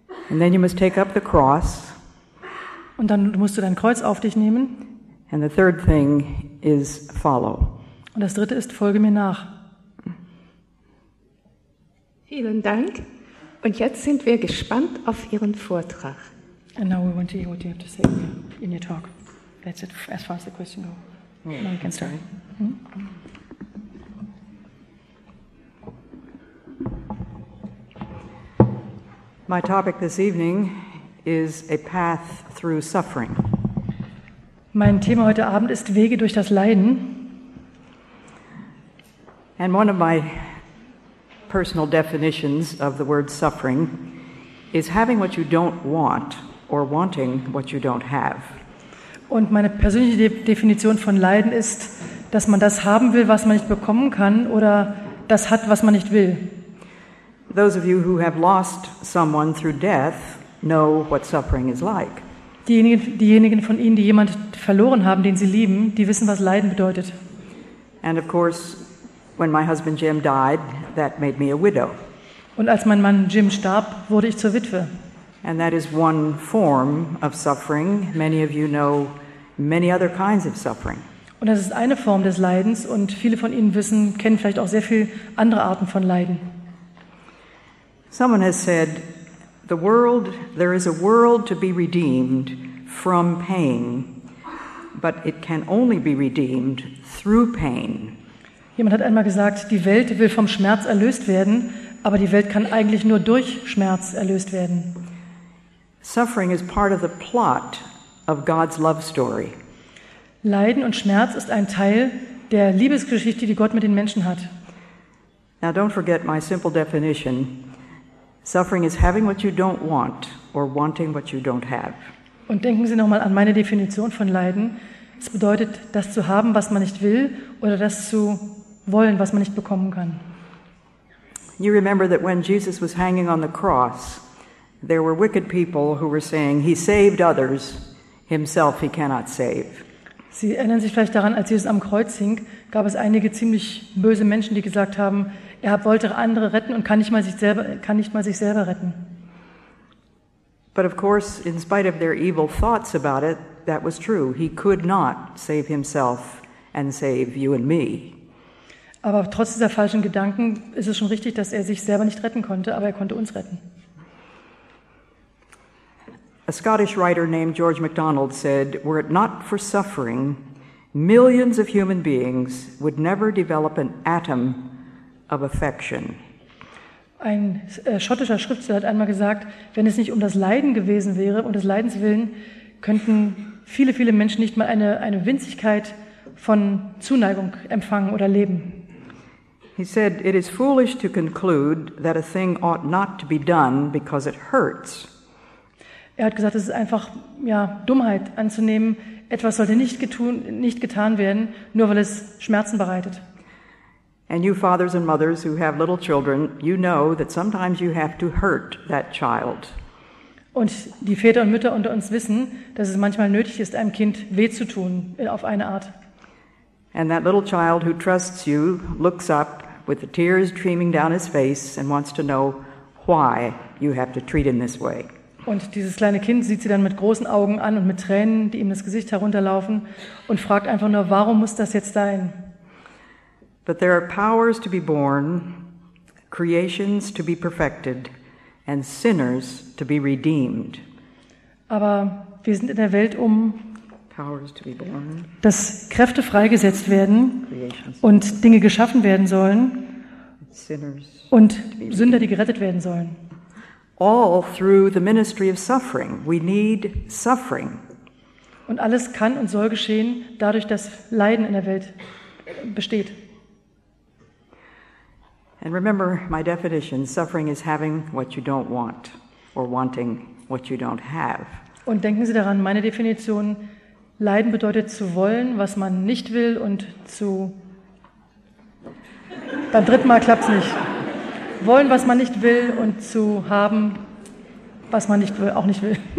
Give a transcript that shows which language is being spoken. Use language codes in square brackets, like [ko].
[en] And then you must take up the cross. [de] Und dann musst du dein Kreuz auf dich nehmen. [en] And the third thing is follow. [de] Und das Dritte ist, folge mir nach. Vielen Dank. Und jetzt sind wir gespannt auf Ihren Vortrag. [en] And now we want to hear what you have to say in your talk. That's it, as far as the question goes. Now you can start. My topic this evening is a path through suffering. [de] Mein Thema heute Abend ist Wege durch das Leiden. [en] And one of my personal definitions of the word suffering is having what you don't want or wanting what you don't have. [de] Und meine persönliche Definition von Leiden ist, dass man das haben will, was man nicht bekommen kann, oder das hat, was man nicht will. [en] Those of you who have lost someone through death know what suffering is like. [de] Diejenigen von Ihnen, die jemand verloren haben, den sie lieben, die wissen, was Leiden bedeutet. [en] And of course, when my husband Jim died, that made me a widow. [de] Und als mein Mann Jim starb, wurde ich zur Witwe. [en] And that is one form of suffering. Many of you know many other kinds of suffering. [de] Und das ist eine Form des Leidens, und viele von Ihnen wissen, kennen vielleicht auch sehr viel andere Arten von Leiden. [en] Someone has said, the world, there is a world to be redeemed from pain, but it can only be redeemed through pain. [de] Jemand hat einmal gesagt, die Welt will vom Schmerz erlöst werden, aber die Welt kann eigentlich nur durch Schmerz erlöst werden. [en] Suffering is part of the plot of God's love story. [de] Leiden und Schmerz ist ein Teil der Liebesgeschichte, die Gott mit den Menschen hat. [en] Now don't forget my simple definition. Suffering is having what you don't want or wanting what you don't have. [de] Und denken Sie nochmal an meine Definition von Leiden. Es bedeutet, das zu haben, was man nicht will, oder das zu wollen, was man nicht bekommen kann. [en] You remember that when Jesus was hanging on the cross, there were wicked people who were saying, he saved others, himself he cannot save. [de] Sie erinnern sich vielleicht daran, als Jesus am Kreuz hing, gab es einige ziemlich böse Menschen, die gesagt haben, er wollte andere retten und kann nicht mal sich selber retten. [en] But of course, in spite of their evil thoughts about it, that was true. He could not save himself and save you and me. [de] Aber trotz dieser falschen Gedanken ist es schon richtig, dass er sich selber nicht retten konnte, aber er konnte uns retten. [en] A Scottish writer named George MacDonald said, were it not for suffering, millions of human beings would never develop an atom of affection. [de] Ein schottischer Schriftsteller hat einmal gesagt, wenn es nicht um das Leiden gewesen wäre, um des Leidens willen, könnten viele, viele Menschen nicht mal eine Winzigkeit von Zuneigung empfangen oder leben. [en] He said, it is foolish to conclude that a thing ought not to be done because it hurts. [de] Er hat gesagt, es ist einfach Dummheit anzunehmen, etwas sollte nicht getan werden, nur weil es Schmerzen bereitet. [en] And you fathers and mothers who have little children, you know that sometimes you have to hurt that child. [de] Und die Väter und Mütter unter uns wissen, dass es manchmal nötig ist, einem Kind weh zu tun, auf eine Art. [en] And that little child who trusts you looks up with the tears streaming down his face and wants to know why you have to treat him this way. [de] Und dieses kleine Kind sieht sie dann mit großen Augen an und mit Tränen, die ihm das Gesicht herunterlaufen, und fragt einfach nur, warum muss das jetzt sein? [en] But there are powers to be born, creations to be perfected, and sinners to be redeemed. [de] Aber wir sind in der Welt, um [en] powers to be born, [de] dass Kräfte freigesetzt werden creations und Dinge geschaffen werden sollen [en] sinners [de] und [en] to be [de] Sünder, die gerettet werden sollen. [en] All through the ministry of suffering, we need suffering. [de] Und alles kann und soll geschehen, dadurch, dass Leiden in der Welt besteht. [en] And remember my definition, suffering is having what you don't want or wanting what you don't have. [de] Und denken Sie daran, meine Definition, Leiden bedeutet zu wollen, was man nicht will und zu... Beim dritten Mal klappt's nicht. Wollen, was man nicht will und zu haben, was man nicht will, auch nicht will.